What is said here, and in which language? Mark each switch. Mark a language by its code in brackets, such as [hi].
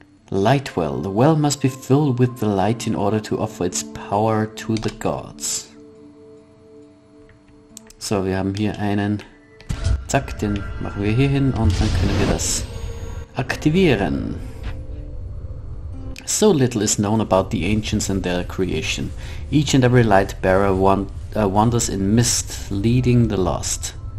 [en] Lightwell. The well must be filled with the light in order to offer its power to the gods. [de] So, wir haben hier einen. Zack, den machen wir hier hin und dann können wir das aktivieren. [en] So little is known about the ancients and their creation. Each and every light bearer wanders in mist, leading the lost.